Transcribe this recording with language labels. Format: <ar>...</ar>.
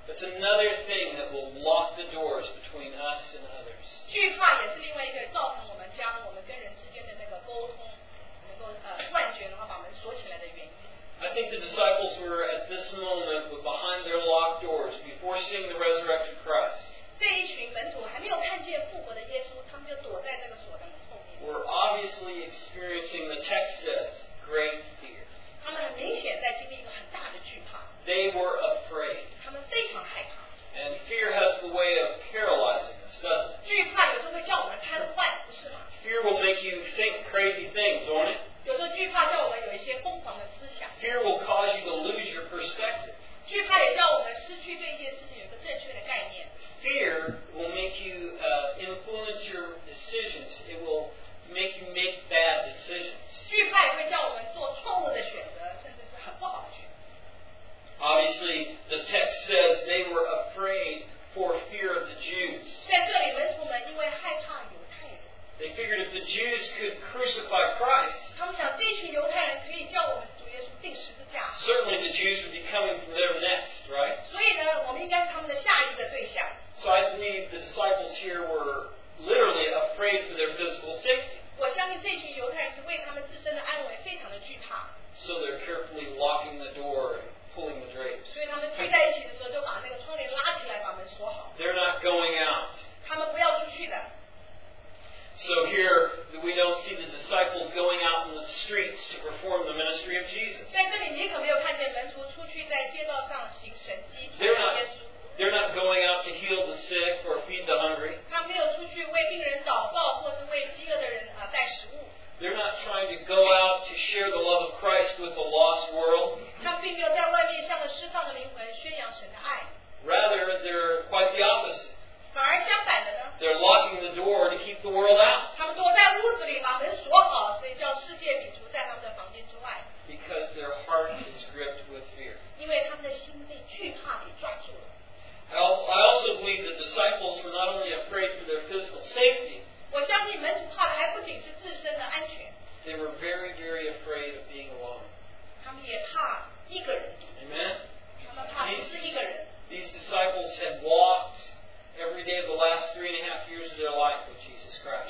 <en>It's another thing that will lock the doors between us and others.</en> <zh>惧怕也是另外一个造成我们将我们跟人之间的那个沟通能够断绝，然后把门锁起来的原因。</zh> <en>I think the disciples were at this moment behind their locked doors before seeing the resurrected Christ.</en> <zh>这一群门徒还没有看见复活的耶稣，他们就躲在那个锁的门后面。</zh> <en>We're obviously experiencing, the text says, great fear.</en> <zh>他们很明显在经历一个很大的惧怕。</zh> <en>They were afraid.</en> <zh>他们非常害怕。</zh> <en>And fear has the way of paralyzing us, doesn't it?</en> <zh>惧怕有时候会叫我们瘫痪，不是吗？</zh> <en>Fear will make you think crazy things, won't it?</en> <zh>有时候惧怕叫我们有一些疯狂的思想。</zh> <en>Fear will cause you to lose your perspective.</en> <zh>惧怕也叫我们失去对一件事情有个正确的概念。</zh> <en>Fear will make you influence your decisions. It will make you make bad decisions.</en> <zh>惧怕也会叫我们做错误的选择，甚至是很不好的选择。</zh> <en>Obviously, the text says they were afraid for fear of the Jews.</en> <zh>在这里，门徒们因为害怕犹太人。</zh> <en>They figured if the Jews could crucify Christ,</en> <zh>他们想这群犹太人可以叫我们主耶稣钉十字架。</zh> <en>Certainly, the Jews would be coming for them next, right?</en> <zh>所以呢，我们应该是他们的下一个对象。</zh> <en>So I believe the disciples here were literally afraid for their physical safety.</en> <zh>我相信这群犹太人是为他们自身的安危非常的惧怕。</zh> <en>So they're carefully locking the door and pulling the drapes.</en> <zh>所以他们聚在一起的时候，就把那个窗帘拉起来，把门锁好。</zh> <en>They're not going out.</en> <zh>他们不要出去的。</zh> <en>So here, we don't see the disciples going out in the streets to perform the ministry of Jesus.</en> <zh>在这里你可没有看见门徒出去在街道上行神迹。</zh> <en>They're not going out to heal the sick or feed the hungry.</en> <zh>他没有出去为病人祷告，或是为饥饿的人带食物。</zh> <en>They're not trying to go out to share the love of Christ with the lost world.</en> <zh>他并没有在外面向失丧的灵魂宣扬神的爱。</zh> <en>Rather, they're quite the opposite.</en> <zh>反而相反的呢？</zh> <en>They're locking the door to keep the world out.</en> <zh>他们躲在屋子里把门锁好，所以叫世界摒除在他们的房间之外。</zh> <en>Because their heart is gripped with fear.</en> <zh>因为他们的心被惧怕给抓住了。</zh> <en>I also believe the disciples were not only afraid for their physical safety.</en> <zh>我相信门徒怕的还不仅是自身的安全。</zh> <en>They were very, very afraid of being alone.</en> <zh>他们也怕一个人。</zh> <en>Amen.</en> <zh>他们怕不是一个人。</zh> <en>These disciples had walked every day of the last 3.5 years of their life with Jesus Christ.</en>